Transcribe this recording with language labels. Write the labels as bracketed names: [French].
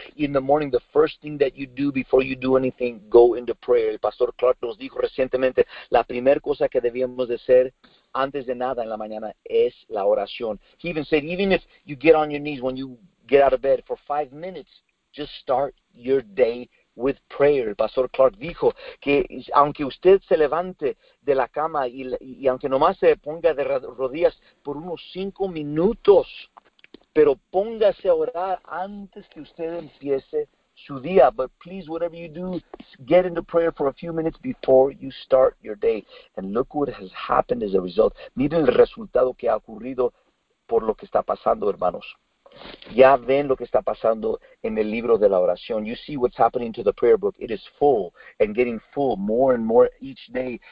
[English] In the morning, the first thing that you do before you do anything, go into prayer. [Spanish] El Pastor Clark nos dijo recientemente, la primera cosa que debíamos de hacer antes de nada en la mañana es la oración. [English] He even said, even if you get on your knees when you get out of bed for 5 minutes, just start your day with prayer. [Spanish] El Pastor Clark dijo que aunque usted se levante de la cama y aunque nomás se ponga de rodillas por unos 5 minutos, pero póngase a orar antes que usted empiece su día. [English] But please, whatever you do, get into prayer for a few minutes before you start your day. And look what has happened as a result. [Spanish] Miren el resultado que ha ocurrido por lo que está pasando, hermanos. Ya ven lo que está pasando en el libro de la oración. [English] You see what's happening to the prayer book. It is full and getting full more and more each day.